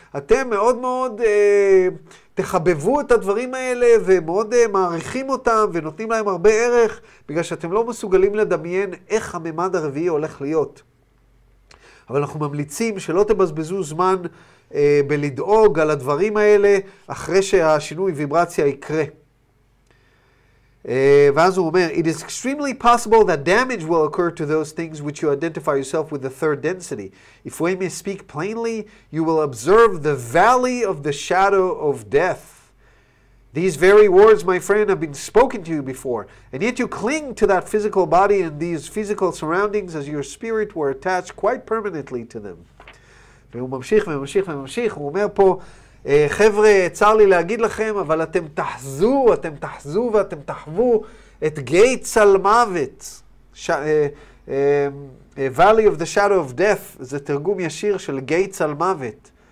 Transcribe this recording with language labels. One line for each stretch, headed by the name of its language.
Hebrew: אתם מאוד מאוד תחבבו את הדברים האלה ומאוד מעריכים אותם ונותנים להם הרבה ערך, בגלל שאתם לא מסוגלים לדמיין איך הממד הרביעי הולך להיות. אבל אנחנו ממליצים שלא תבזבזו זמן בלדאוג על הדברים האלה אחרי שהשינוי ויברציה יקרה. ואז הוא אומר,
English: it is extremely possible that damage will occur to those things which you identify yourself with the third density. If we may speak plainly, you will observe the valley of the shadow of death. These very words, my friend, have been spoken to you before, and yet you cling to that physical body and these physical surroundings as your spirit were attached quite permanently to them.
Hebrew: והוא ממשיך וממשיך וממשיך, הוא אומר פה, חבר'ה, צר לי להגיד לכם, אבל אתם תחזו, אתם תחזו ואתם תחוו את גייטס על מוות.
English: Valley of the Shadow of Death,
Hebrew: זה תרגום ישיר של גייטס על מוות.